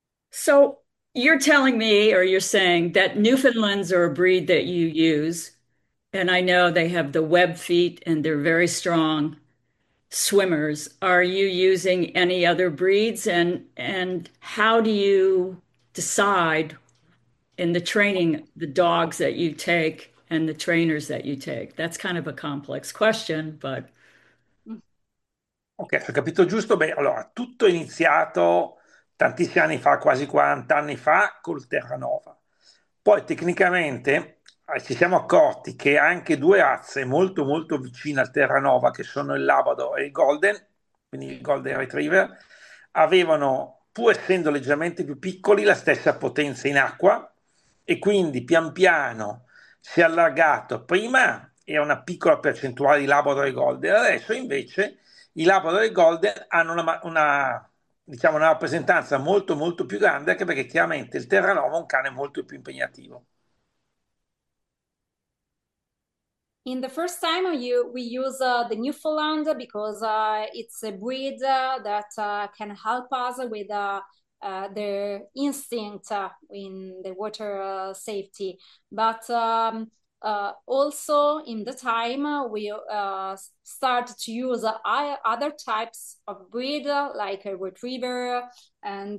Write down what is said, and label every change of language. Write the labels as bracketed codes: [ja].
[en] So you're telling me, or you're saying that Newfoundlands are a breed that you use, and I know they have the web feet and they're very strong swimmers. Are you using any other breeds, and how do you decide in the training the dogs that you take and the trainers that you take? That's kind of a complex question, but. [it] Ok, ho capito giusto? Beh, allora, tutto è iniziato tantissimi anni fa, quasi 40 anni fa, col Terranova. Poi, tecnicamente, ci siamo accorti che anche due razze molto molto vicine al Terranova, che sono il Labrador e il Golden, quindi il Golden Retriever, avevano, pur essendo leggermente più piccoli, la stessa potenza in acqua, e quindi pian piano si è allargato. Prima era una piccola percentuale di Labrador e Golden, adesso invece i Labrador e i Golden hanno diciamo, una rappresentanza molto molto più grande, anche perché chiaramente il Terranova è un cane molto più impegnativo. [en] In the first time, we use the Newfoundland because it's a breed that can help us with the instinct in the water safety. But also in the time, we start to use other types of breed like a retriever and